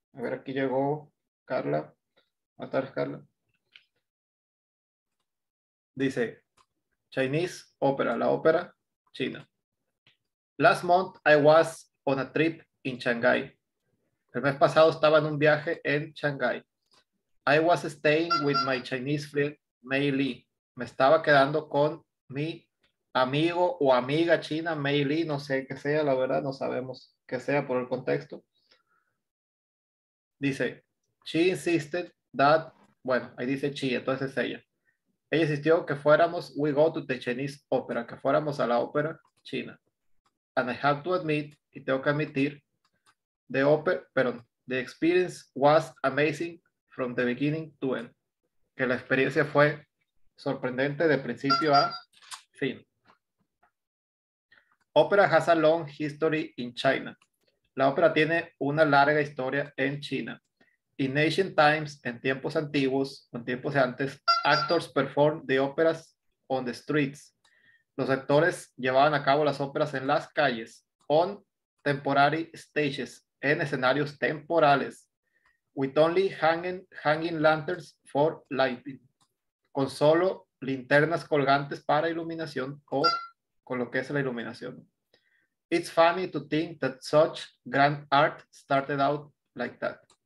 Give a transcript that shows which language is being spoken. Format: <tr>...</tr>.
<es>A ver, aquí llegó Carla. Buenas tardes, Carla. Dice, Chinese ópera, la ópera china.</es> <en>Last month I was on a trip in Shanghai.</en> <es>El mes pasado estaba en un viaje en Shanghai.</es> <en>I was staying with my Chinese friend Mei Li.</en> <es>Me estaba quedando con mi amigo o amiga china Mei Li, no sé qué sea, la verdad, no sabemos qué sea por el contexto. Dice,</es> <en>she insisted that,</en> <es>bueno, ahí dice she, entonces es ella. Ella insistió que fuéramos,</es> <en>we go to the Chinese opera,</en> <es>que fuéramos a la ópera china.</es> <en>And I have to admit,</en> <es>y tengo que admitir,</es> <en>the opera,</en> <es>perdón,</es> <en>the experience was amazing from the beginning to end.</en> <es>Que la experiencia fue sorprendente de principio a fin.</es> <en>Opera has a long history in China.</en> <es>La ópera tiene una larga historia en China.</es> <en>In ancient times,</en> <es>en tiempos antiguos, en tiempos de antes,</es> <en>actors performed the operas on the streets.</en> <es>Los actores llevaban a cabo las óperas en las calles,</es> <en>on temporary stages,</en> <es>en escenarios temporales,</es> <en>with only hanging lanterns for lighting,</en> <es>con solo linternas colgantes para iluminación o con lo que es la iluminación.</es> <en>It's funny to think that such grand art started out like that.</en>